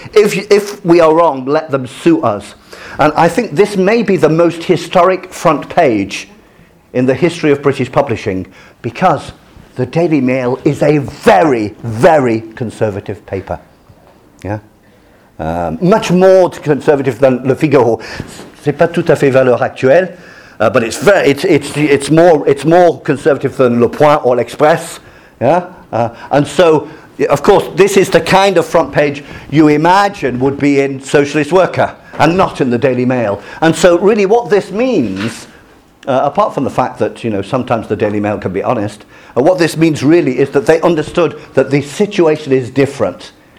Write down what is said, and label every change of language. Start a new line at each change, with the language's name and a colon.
English: If we are wrong, let them sue us. And I think this may be the most historic front page in the history of British publishing, because the Daily Mail is a very, very conservative paper. Yeah, much more conservative than Le Figaro.
French: C'est pas tout à fait valeur actuelle,
English: but it's more conservative than Le Point or L'Express. Yeah, and so. Of course, this is the kind of front page you imagine would be in Socialist Worker and not in the Daily Mail. And so really what this means, apart from the fact that, you know, sometimes the Daily Mail can be honest, what this means really is that they understood that the situation is different.